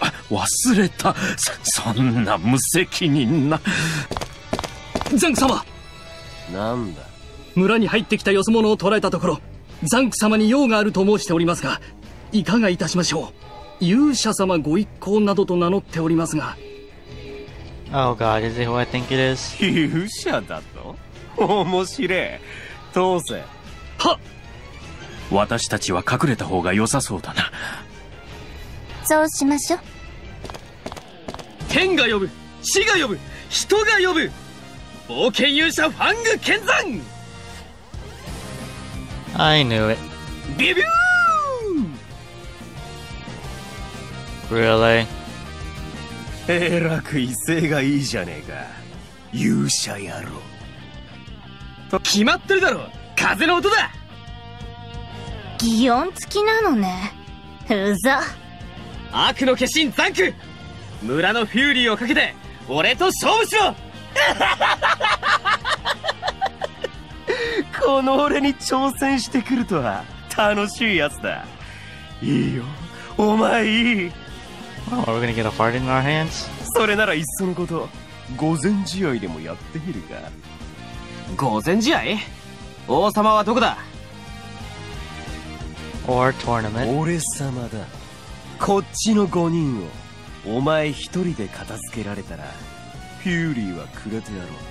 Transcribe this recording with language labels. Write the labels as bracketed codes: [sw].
[ja] 忘れた。そんな無責任な。ザンク様。なんだ。村に入ってきたよそ者を捕らえたところ、ザンク様に用があると申しておりますが、いかがいたしましょう。勇者様ご一行などと名乗っておりますが。 [en] Oh god, is it who I think it is? [ja] 勇者だと？面白え。通せ。はっ。私たちは隠れた方が良さそうだな。そうしましょう。天が呼ぶ、地が呼ぶ、人が呼ぶ、冒険勇者ファング剣山。 [en] I knew it. [ja] ビビュ [en] ー。 Really? [ja] えらく威勢がいいじゃねえか、勇者野郎と。決まってるだろ、風の音だ。擬音付きなのね。うざ。悪の化身ザンク、村のフューリーをかけて俺と勝負しろ。この俺に挑戦してくるとは楽しいやつだ。いいよ、お前いい。 [en] Oh, are we gonna get a fart in our hands? [ja] それならいっそのこと、御前試合でもやってみるか。御前試合？王様はどこだ？ [en] Or tournament? [ja] 俺様だ。こっちの5人をお前一人で片付けられたら、フューリーはくれてやろう。